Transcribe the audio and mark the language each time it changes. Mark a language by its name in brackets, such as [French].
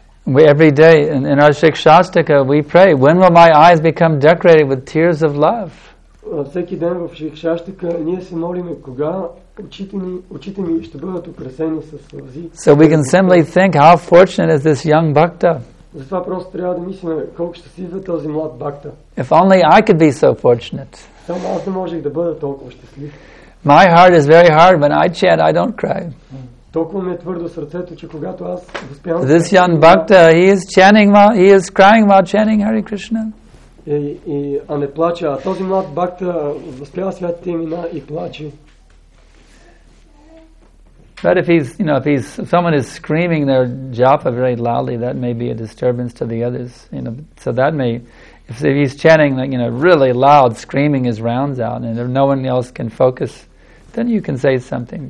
[English] We every day in our Shikshastika we pray, when will my eyes become decorated with tears of love? [Bulgarian] Всеки ден в Шикшаштика ние се молим кога очите ми ще бъдат украсени със сълзи. [English] So we can simply think how fortunate is this young bhakta. [Bulgarian] Затова просто трябва да мислим колко щастлив е този млад бхакта. [English] If only I could be so fortunate. [Bulgarian] Само аз не можех да бъда толкова щастлив. [English] My heart is very hard when I chant, I don't cry. [Bulgarian] Толкова ми е твърдо сърцето, че когато аз възпявам. [English] This young bhakta, he is chanting while he is crying while chanting Hare Krishna. [Bulgarian] А не плача, а този млад бхакта възпява святите имена и плаче. [English] But if he's, you know, if someone is screaming their japa very loudly, that may be a disturbance to the others, you know. So that may, if he's chanting, like, you know, really loud, screaming his rounds out, and no one else can focus, then you can say something.